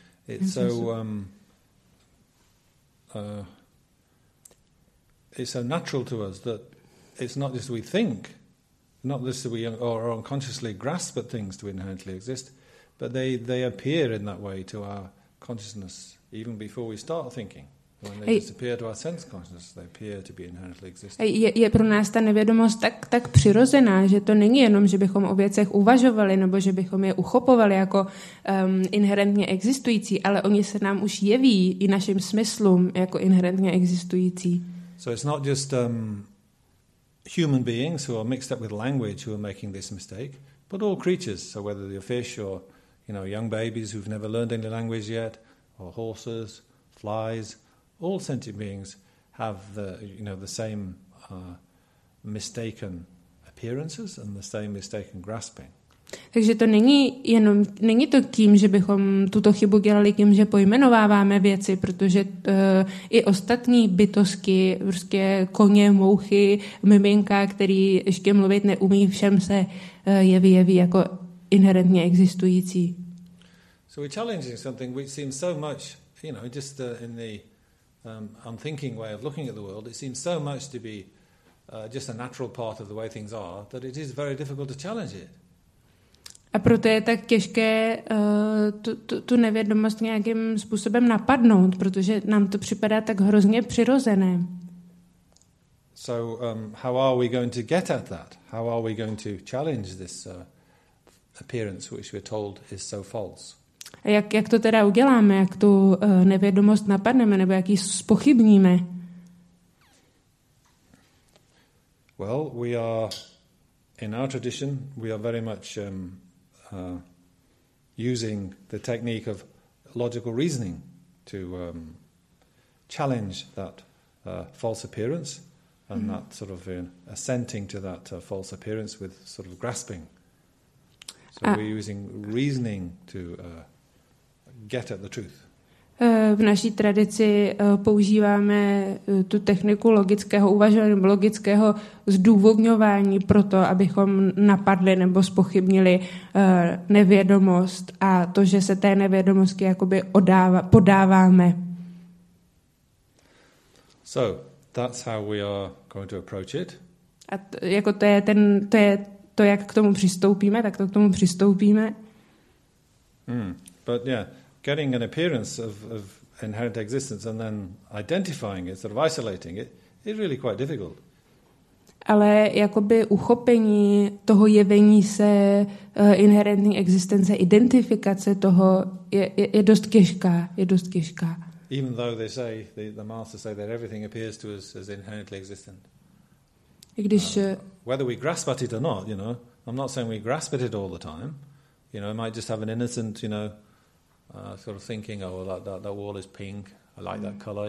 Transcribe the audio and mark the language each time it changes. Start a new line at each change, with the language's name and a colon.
English: It's so it's so natural to us that it's not just we think, not just that we or unconsciously grasp at things to inherently exist. But they appear in that way to our consciousness even before we start thinking. When they disappear to our sense consciousness, they appear to be inherently existing.
Czech: Je pro nás ta nevědomost tak přirozená, že to není jenom, že bychom o věcech uvažovali nebo že bychom je uchopovali jako inherentně existující, ale oni se nám už jeví i našim smyslům jako inherentně existující.
English: So it's not just human beings who are mixed up with language who are making this mistake, but all creatures, so whether they're fish or you know, young babies who've never learned any language yet, or horses, flies, all sentient beings have the same mistaken appearances and the same mistaken grasping.
Czech: Takže to není to tím, že bychom tuto chybu dělali tím, že pojmenováváme věci, protože i ostatní bytosti, prostě koně, mouchy, miminka, který ještě mluvit neumí, všem se jeví jako inherentně existující.
English: So we're challenging something which seems so much, you know, just in the unthinking way of looking at the world, it seems so much to be just a natural part of the way things are that it is very difficult to challenge it.
Czech: A proto je tak těžké tu nevědomost nějakým způsobem napadnout, protože nám to připadá tak hrozně přirozené.
English: So how are we going to get at that? How are we going to challenge this appearance which we're told is so false?
Czech: A jak to teda uděláme, jak tu nevědomost napadneme nebo jak ji zpochybníme?
English: Well, we are in our tradition, we are very much using the technique of logical reasoning to challenge that false appearance and mm-hmm. that sort of assenting to that false appearance with sort of grasping. So we're using reasoning to get at the truth.
Czech: V naší tradici používáme tu techniku logického uvažování, logického zdůvodňování pro to, abychom napadli nebo zpochybnili nevědomost a to, že se té nevědomosti jakoby podáváme.
English: So, that's how we are going to approach it.
Czech: A to je to, jak k tomu přistoupíme, tak to k tomu přistoupíme.
English: But yeah. Getting an appearance of inherent existence and then identifying it, sort of isolating it, is really quite difficult.
Czech: Ale jakoby uchopení toho jevení se inherentní existence, identifikace toho je dost těžká.
English: Even though they say the masters say that everything appears to us as inherently existent. Whether we grasp at it or not, you know, I'm not saying we grasp at it all the time. You know, it might just have an innocent, you know. Sort of thinking, oh, that wall is pink. I like that color.